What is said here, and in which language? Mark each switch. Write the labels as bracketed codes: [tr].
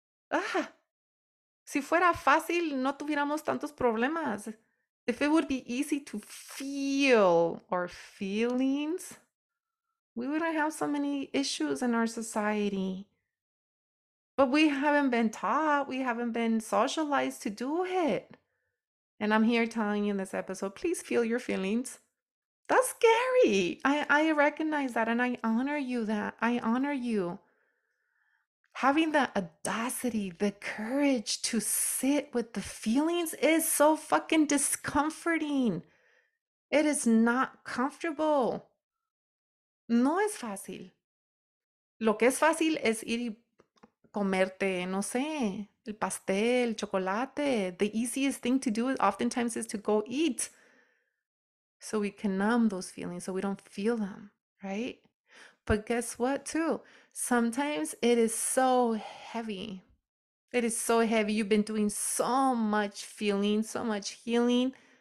[es] Ah, si fuera fácil, no tuviéramos tantos problemas. [en] If it would be easy to feel our feelings, we wouldn't have so many issues in our society. But we haven't been taught, we haven't been socialized to do it. And I'm here telling you in this episode, please feel your feelings. That's scary. I recognize that and I honor you that. I honor you. Having the audacity, the courage to sit with the feelings is so fucking discomforting. It is not comfortable. [es] No es fácil. Lo que es fácil es ir y comerte, no sé, el pastel, el chocolate. [en] The easiest thing to do oftentimes is to go eat so we can numb those feelings so we don't feel them, right? But guess what, too? Sometimes it is so heavy. It is so heavy. You've been doing so much feeling, so much healing.